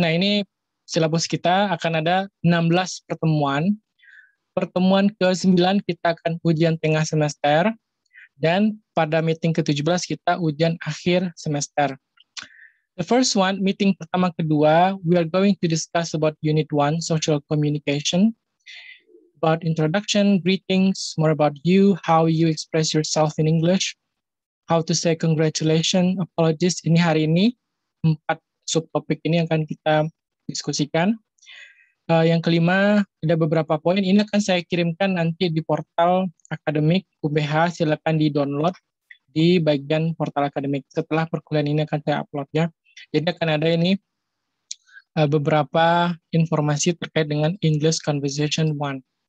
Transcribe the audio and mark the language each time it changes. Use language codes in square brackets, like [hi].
[id] Nah ini silabus kita akan ada 16 pertemuan. Pertemuan ke-9 kita akan ujian tengah semester. Dan pada meeting ke-17 kita ujian akhir semester. [en] The first one, meeting [id] pertama kedua, [en] we are going to discuss about unit 1, social communication, about introduction, greetings, more about you, how you express yourself in English, how to say congratulations, apologies. [id] Ini hari ini, 4 subtopik ini akan kita diskusikan. Yang kelima, ada beberapa poin, ini akan saya kirimkan nanti di portal akademik UBH, silakan di-download di bagian portal akademik. Setelah perkuliahan ini akan saya upload ya. Jadi akan ada ini beberapa informasi terkait dengan English Conversation 1.